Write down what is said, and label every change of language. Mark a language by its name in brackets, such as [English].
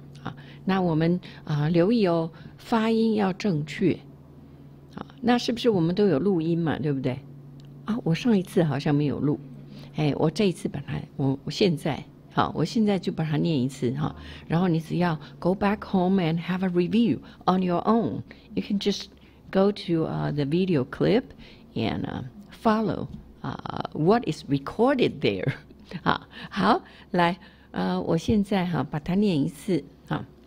[Chinese] 好，那我们留意哦，发音要正确。好，那是不是我们都有录音嘛？对不对？啊，我上一次好像没有录。哎，我这一次把它，我现在好，我现在就把它念一次哈。然后你只要 [English] go back home and have a review on your own. You can just go to the video clip and follow what is recorded there. [Chinese] 好，来，我现在哈把它念一次哈。